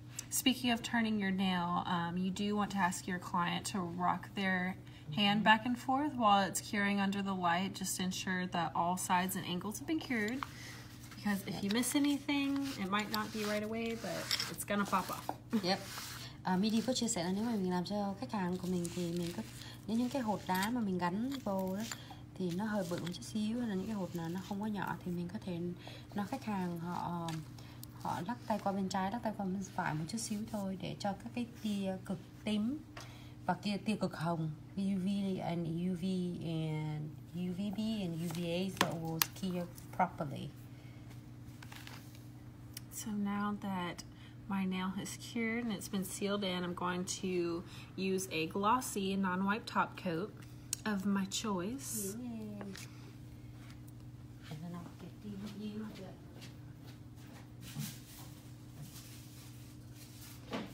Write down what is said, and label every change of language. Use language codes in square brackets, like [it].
[en] Speaking of turning your nail, you do want to ask your client to rock their hand back and forth while it's curing under the light, just to ensure that all sides and angles have been cured. Because if you miss anything, it might not be right away, but it's gonna pop off. Yep. [vi] Midi có chia sẻ là nếu mà mình làm cho khách hàng của mình thì mình có những cái hột đá mà mình gắn vô đó, thì nó hơi bự một chút xíu, hay là những cái hột nào nó không có nhỏ thì mình có thể nó khách hàng họ họ lắc tay qua bên trái, lắc tay qua bên phải một chút xíu thôi để cho các cái tia cực tím và kia tia cực hồng [en] UV and UV and UVB and UVA so it will cure properly. So now that my nail has cured and it's been sealed in, I'm going to use a glossy non-wipe top coat of my choice. Yay. And then I'll get you to...